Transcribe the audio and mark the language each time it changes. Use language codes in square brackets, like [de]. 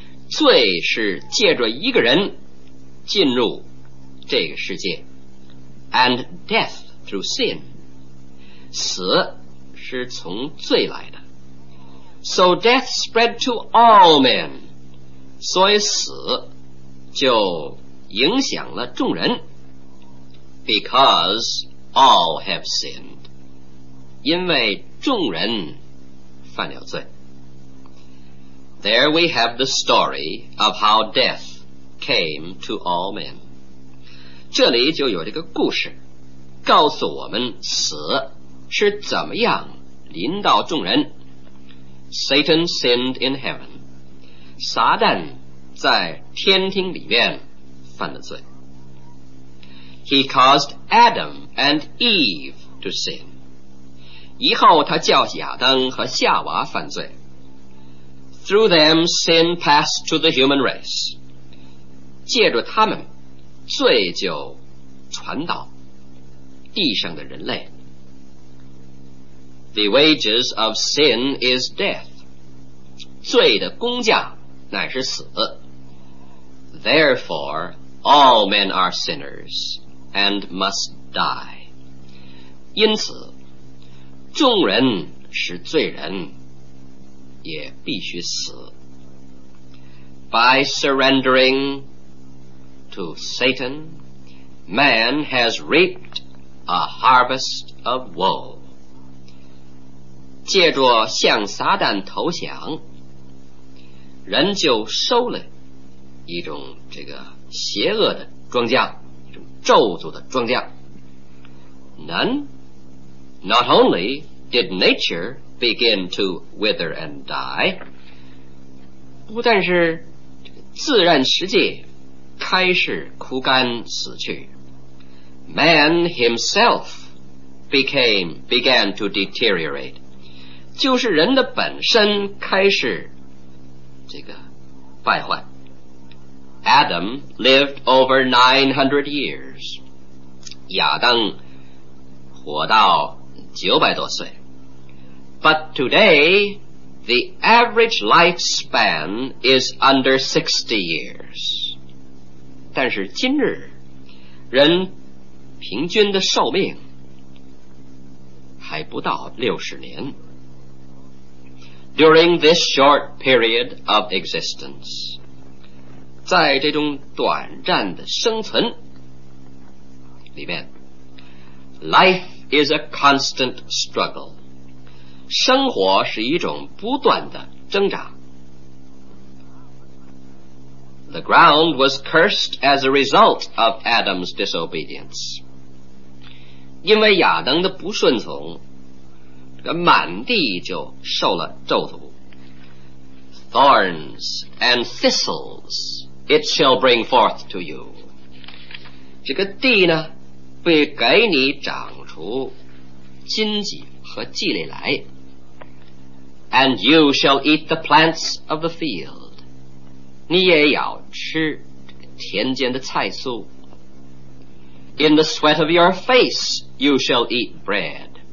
[zh] 罪是借着一个人进入这个世界 [en] ，and death through sin. [zh] 死是从罪来的。 [en] So death spread to all men. [zh] 所以死就影响了众人 [en] ，because all have sinned， [zh] 因为众人犯了罪。 [en] There we have the story of how death came to all men。 [zh] 这里就有这个故事，告诉我们死是怎么样临到众人。 [en] Satan sinned in heaven， [zh] 撒旦。在天庭里面犯了罪。 [en] He caused Adam and Eve to sin. [zh] 以后他叫亚当和夏娃犯罪。 [en] Through them, sin passed to the human race. [zh] 借着他们，罪就传到地上的人类。 [en] The wages of sin is death. [zh] 罪的工价乃是死。 [en] Therefore, all men are sinners and must die. [zh] 因此，众人是罪人，也必须死。 [en] By surrendering to Satan, man has reaped a harvest of woe. [zh] 借着向撒旦投降，人就收了一种这个邪恶的庄稼，一种咒诅的庄稼。 [en] Not only did nature begin to wither and die, [zh] 不但是这个自然世界开始枯干死去， [en] man himself began to deteriorate, [zh] 就是人的本身开始这个败坏。 [en] Adam lived over 900 years. [zh] 亚当活到900多岁。 [en] But today, the average lifespan is under 60 years. [zh] 但是今日，人平均的寿命还不到60年。 [en] During this short period of existence, [zh] 在这种短暂的生存里面 [en] ，life is a constant struggle， [zh] 生活是一种不断的挣扎。 [en] The ground was cursed as a result of Adam's disobedience， [zh] 因为亚当的不顺从，这个满地就受了咒诅。 [en] Thorns and thistles。 It shall bring forth to you. [zh] 这个地呢，会给你长出荆棘和蓟类来。 [en] And you shall eat the plants of the field. [zh] 你也要吃田间的菜蔬。 [en] In the sweat of your face, you shall eat bread.